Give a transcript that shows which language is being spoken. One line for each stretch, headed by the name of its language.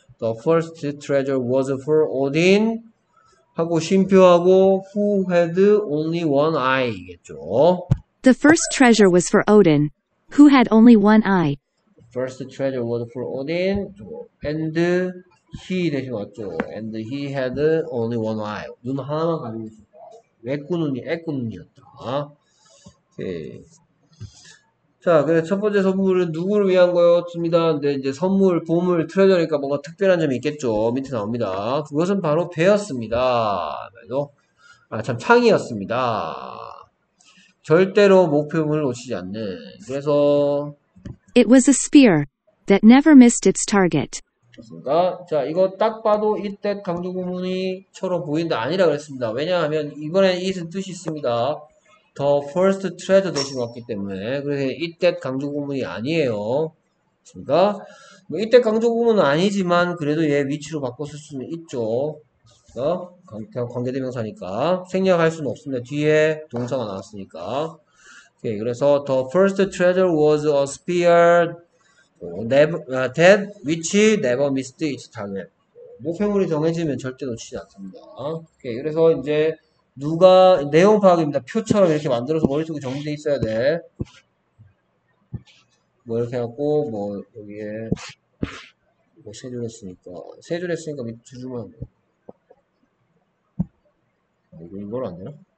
English: The first treasure was for Odin
Korean: 하고 쉼표하고
English: who had only one eye
Korean: 이겠죠.
English: The first treasure was for Odin, who had only one eye. First treasure was for Odin, and he
Korean: 대신 왔죠.
English: And he had only one eye.
Korean: 눈 하나만 가지고 있었다. 외꾼 눈이 애꾼 눈이었다. 오케이. 자, 그래서 첫 번째 선물은 누구를 위한 거였습니다. 근데 이제 선물, 보물, 트레저니까 뭔가 특별한 점이 있겠죠. 밑에 나옵니다. 그것은 바로 배였습니다. 아, 참, 창이었습니다. 절대로 목표물을 놓치지 않는. 그래서,
English: It was a spear that never missed its target.
Korean: 좋습니다. 자, 이거 딱 봐도 it that 강조구문이처럼 보인다 아니라 그랬습니다. 왜냐하면 이번에 it은 뜻이 있습니다. The first treasure 대신 왔기 때문에. 그래서 it that 강조구문이 아니에요. 좋습니다. 뭐 it that 강조구문은 아니지만 그래도 얘 위치로 바꿨을 수는 있죠. 관계대명사니까 생략할 수는 없습니다. 뒤에 동사가 나왔으니까. 오케이, 그래서
English: the first treasure was a spear. That which never missed its target.
Korean: 목표물이 정해지면 절대 놓치지 않습니다. 오케이, 그래서 이제 누가 내용 파악입니다. 표처럼 이렇게 만들어서 머릿속에 정리돼 있어야 돼. 뭐 이렇게 하고 뭐 여기에 뭐 세줄 했으니까 밑에 두 줄만 이걸로 안 되나?